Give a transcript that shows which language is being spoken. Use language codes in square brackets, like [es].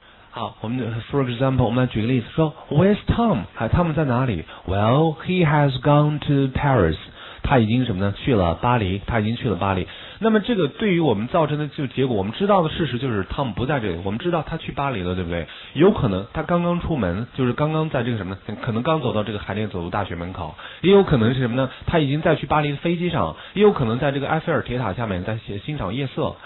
[zh] 好，我们 [en] for example， [zh] 我们来举个例子，说 [en] Where's Tom？ [zh] 他们在哪里 [en] ？Well， he has gone to Paris。 [zh] 他已经什么呢？去了巴黎。他已经去了巴黎。那么这个对于我们造成的就结果，我们知道的事实就是 Tom 不在这里。我们知道他去巴黎了，对不对？有可能他刚刚出门，就是刚刚在这个什么呢？可能刚走到这个海淀走读大学门口。也有可能是什么呢？他已经在去巴黎的飞机上。也有可能在这个埃菲尔铁塔下面在欣赏夜色。